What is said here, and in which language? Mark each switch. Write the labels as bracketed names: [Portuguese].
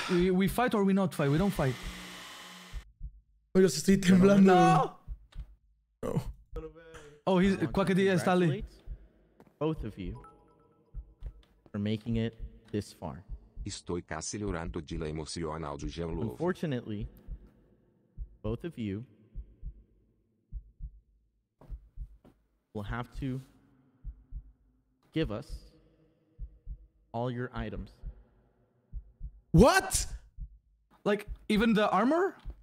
[English] We fight or we not fight. We don't fight. [Spanish] Yo estoy temblando. No. Oh, he's... Quackity, está ali. [English] Both of you are making it this far. [Spanish] Estoy casi llorando de la emoción, Aldo Gelo. [English] Unfortunately, both of you will have to give us all your items. What? Like, even the armor?